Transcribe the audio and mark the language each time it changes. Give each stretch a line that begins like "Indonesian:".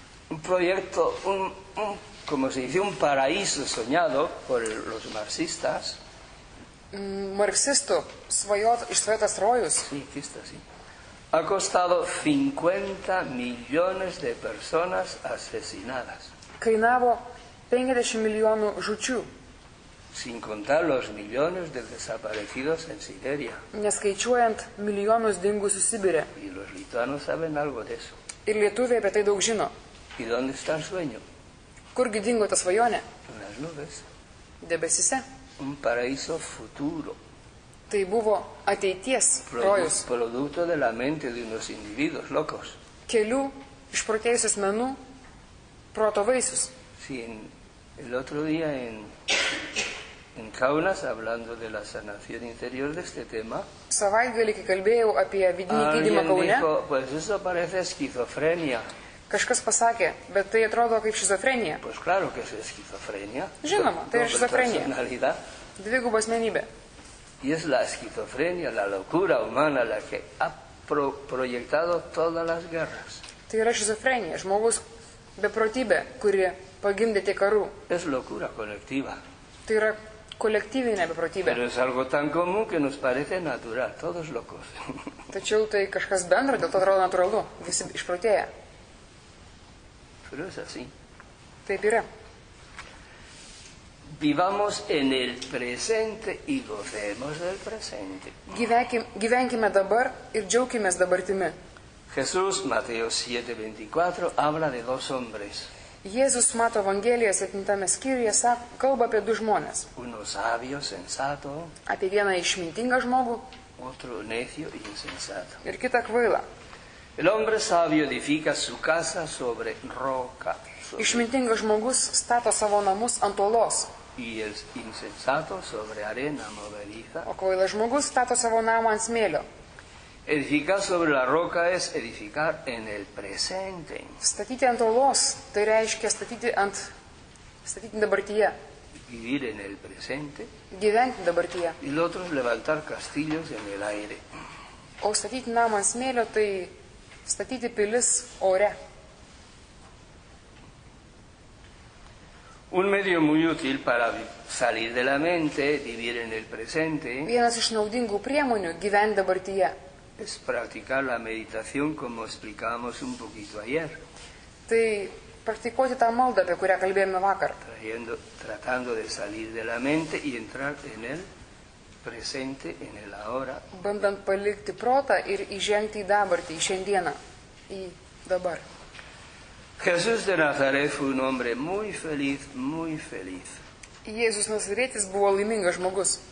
Spanish: Un proyecto, como se dice, un paraíso soñado por los marxistas.
Lithuanian: Marxisto, svajotas rojus.
Spanish: Sí, aquí está, sí.
Lithuanian: Ha costado 50 millones de personas asesinadas.
Spanish: Kainavo 50 milijonų žučių.
Lithuanian: Sin contar los millones de desaparecidos en Siberia.
Spanish: Neskaičiuojant milijonus dingusių Sibire.
Lithuanian: Y los lituanos saben algo de eso.
Spanish: Ir lietuviai apie tai daug žino.
Lithuanian: ¿Y dónde está el sueño?
Spanish: Kurgi dingo ta svajonė?
Lithuanian: En las nubes.
Spanish: Debesise.
Lithuanian: Un paraíso futuro.
Spanish: Tai buvo ateities rojus.
Lithuanian: Producto de la mente de unos individuos locos.
Spanish: Kelių išprotėjusių asmenų proto vaisius.
Lithuanian: Sí, el otro día en Kaunas, hablando de la sanación interior de este tema,
Spanish: savaitgalį, kai kalbėjau apie vidinį gydymą Kaune,
Lithuanian: dijo, pues eso parece esquizofrenia.
Spanish: Kažkas pasakė, bet tai atrodo kaip šizofrenija.
Lithuanian: Pues claro que es esquizofrenia.
Spanish: Žinoma, tai yra šizofrenija.
Lithuanian: Personalidad.
Spanish: Dvigubo asmenybė.
Lithuanian: Y es la esquizofrenia, la locura humana, la que ha proyectado todas las guerras.
Spanish: Tai yra šizofrenija, žmogus beprotybė, kuri pagimdė tiek karų.
Lithuanian: Es locura colectiva.
Spanish: Tai yra kolektyvinė beprotybė.
Lithuanian: Pero es algo tan común que nos parece natural, todos locos.
Spanish: Tačiau tai kažkas bendra, dėl to atrodo natūralu, visi išprotėja.
Lithuanian: Pero es así.
Spanish: Taip yra.
Lithuanian: Vivamos en el presente y gocemos del presente.
Spanish: Gyvenkime dabar ir džiaukimės dabartimi.
Lithuanian: Jesús, Mateo 7:24, habla de dos hombres.
Spanish: Jėzus Mato Evangelija 7 skyriuje kalba apie du žmones.
Lithuanian: Uno sabio, sensato.
Spanish: Apie vieną išmintingą žmogų.
Lithuanian: Otro necio y insensato.
Spanish: Ir kitą kvailą.
Lithuanian: El hombre sabio edifica su casa sobre roca.
Spanish: Išmintingas žmogus stato savo namus ant uolos.
Lithuanian: Y el insensato sobre arena movediza.
Spanish: O kvailas žmogus stato savo namą ant smėlio.
Lithuanian: Edificar sobre la roca es edificar en el presente.
Spanish: Statyti ant uolos, tai reiškia statyti dabartyje.
Lithuanian: Vivir en el presente.
Spanish: Gyventi dabartyje.
Lithuanian: Y el otro es levantar castillos en el aire.
Spanish: O statyti namą ant smėlio, tai statyti pilis ore.
Lithuanian: Un medio muy útil para salir de la mente, vivir en el presente.
Spanish: Vienas iš naudingų priemonių gyventi dabartyje.
Lithuanian: Es practicar la meditación como explicábamos un poquito ayer.
Spanish: Tai praktikuoti tą maldą, apie kurią kalbėjome vakar.
Lithuanian: Tratando de salir de la mente y entrar en el presente, en el ahora.
Spanish: Bandant palikti protą ir įžengti į dabartį, į šiandieną, į dabar.
Lithuanian: Jesús de Nazaret fue un hombre muy feliz, muy feliz.
Spanish: Jėzus Nazaretis buvo laimingas žmogus.